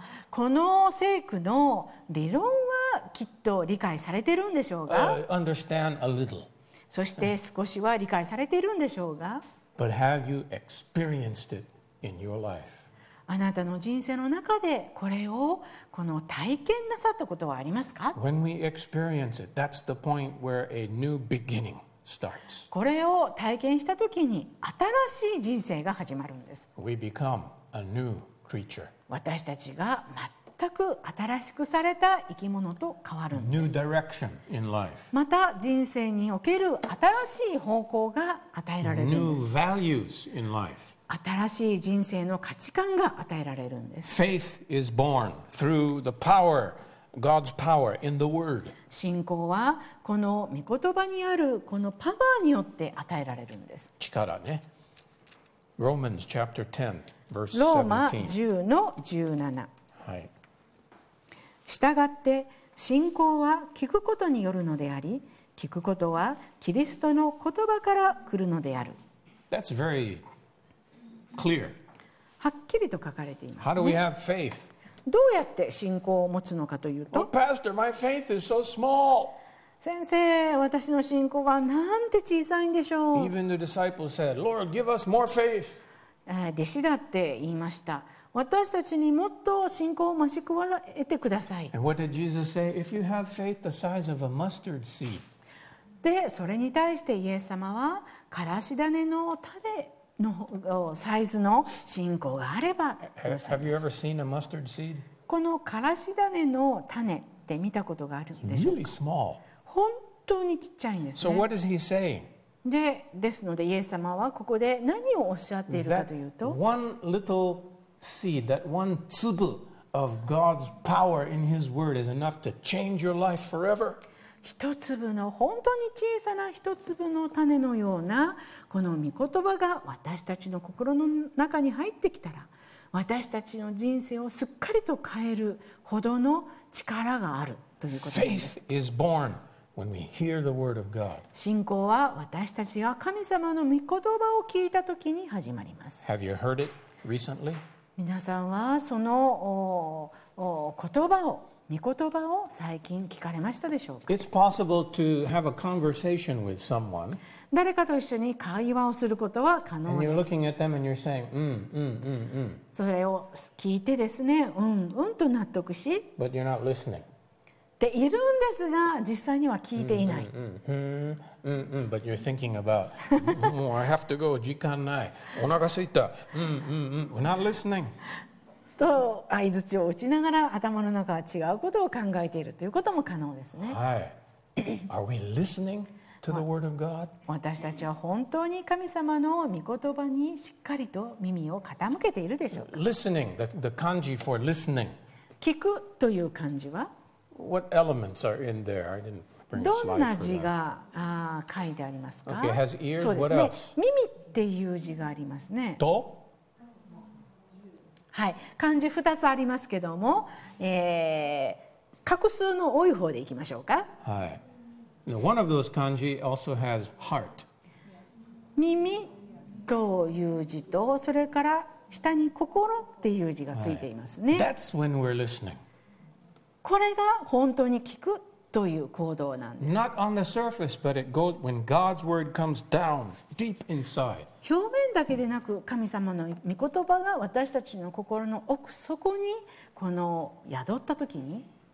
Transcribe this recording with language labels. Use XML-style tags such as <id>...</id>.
<ja>この聖句の理論はきっと理解されてるんでしょうが、</ja> <en>understand a little.</en> <ja>そして少しは理解されているんでしょうが、</ja> <en>But have you experienced it in your life?</en> <ja>あなたの人生の中でこれをこの体験なさったことはありますか？</ja> <en>When we experience it, that's the point where a new beginning starts.</en> <ja>これを体験したときに新しい人生が始まるんです。</ja> <en>We become a new creature.</en> <ja>私たちが全全く新しくされた生き物と変わるんです。</ja> <en>New direction in life.</en> <ja>また人生における新しい方向が与えられるんです。</ja> <en>New values in life.</en> <ja>新しい人生の価値観が与えられるんです。</ja> <en>Faith is born through the power, God's power in the word.</en> <ja>信仰はこの御言葉にあるこのパワーによって与えられるんです。力ね。</ja> <en>Romans chapter 10Verse 17.</en> <ja>ローマ10:17。従って信仰は聞くことによるのであり、聞くことはキリストの言葉から来るのである。</ja> <en>That's very clear.</en> <ja>はっきりと書かれていますね。</ja> <en>How do we have faith?</en> <ja>どうやって信仰を持つのかというと、</ja> <en>Well, Pastor, my faith is so small.</en> <ja>先生、私の信仰はなんて小さいんでしょう。</ja> <en>Even the disciples said, Lord, give us more faith.</en> <ja>弟子だって言いました。私たちにもっと信仰を増し加えてください。</ja> <en>And what did Jesus say? If you have faith the size of a mustard seed.</en> <ja>でそれに対してイエス様はからし種の種のサイズの信仰があれば。</ja> <en>Have you ever seen a mustard seed?</en> <ja>このからし種の種って見たことがあるんでしょうか。</ja> <en>It's really small.</en> <ja>本当にちっちゃいんですね。</ja> <en>So what is he saying?</en> <ja>で、 ですのでイエス様はここで何をおっしゃっているかというと、</ja> <en>that one little seed, that one 粒 of God's power in His word is enough to change your life forever.</en> <ja>一粒の本当に小さな一粒の種のようなこの御言葉が私たちの心の中に入ってきたら、私たちの人生をすっかりと変えるほどの力があるということです。</ja> <en>Faith is born. When we hear the word of God.</en> <ja>信仰は私たちが神様の御言葉を聞いた時に始まります。</ja> <en>Have you heard it recently?</en> <ja>皆さんはその言葉を、御言葉を最近聞かれましたでしょうか。</ja> <en>It's possible to have a conversation with someone.</en> <ja>誰かと一緒に会話をすることは可能です。</ja> <en>And you're looking at them and you're saying,</en> <ja>それを聞いてですね、と納得し、</ja> <en>But you're not listening.</en> <ja>でいるんですが実際には聞いていない。</ja> <en>But you're thinking about, I have to go.</en> <ja>時間ない。お腹空いた。</ja> <en>We're not listening.</en> <ja>と相槌を打ちながら頭の中は違うことを考えているということも可能ですね。はい。</ja> <en>Are we listening to the word of God?</en> <ja>私たちは本当に神様の御言葉にしっかりと耳を傾けているでしょうか。</ja> <en>Listening. The kanji for listening.</en> <ja>聞くという漢字は。</ja> <en>What elements are in there? I didn't bring a slide for that.</en> <ja>どんな字が書いてありますか?</ja> <en>Okay, has ears. What else?</en> <ja>耳っていう字がありますね。と、はい、漢字2つありますけども、画数の多い方でいきましょうか。はい。</ja> <en>One of those kanji also has heart.</en> <ja>耳という字と、それから下に心っていう字がついていますね。</ja> <en>That's when we're listening.</en> <ja>これが本当に聞くという行動なんです。</ja> <en>Not on the surface, but it goes when God's word comes down deep inside.</en> <ja>表面だけでなく、神様の御言葉が私たちの心の奥底にこの宿った時に、</ja>